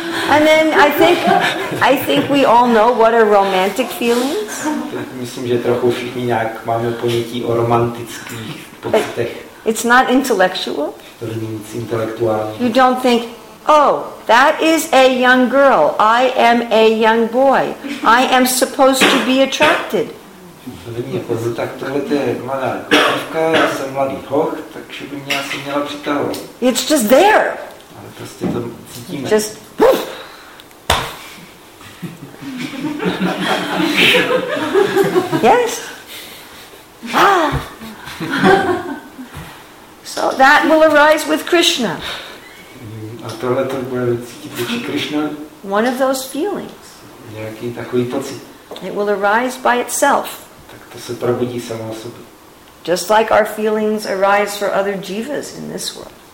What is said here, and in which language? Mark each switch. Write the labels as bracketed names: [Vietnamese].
[English] And then I think we all know what are romantic feelings. [Czech] Myslím, že trochu všichni nějak máme ponětí o romantických pocitech. [English] It's not intellectual. [Czech] To není nic intelektuální. [English] You don't think, oh, that is a young girl. I am a young boy. I am supposed to be attracted. [Czech] To není jako, tak tohle je mladá kotovka, já jsem mladý hoch, takže by mě asi měla přitahovat. [English] It's just there. [Czech] Ale prostě to cítíme. [English] Just yes. Ah. So that will arise with Krishna. [Czech] A tohle to bude cítit vůči Krishna. [English] One of those feelings. [Czech] Nějaký takový pocit. [English] It will arise by itself. [Czech] Tak to se probudí samo o sobě. [English] Just like our feelings arise for other jivas in this world.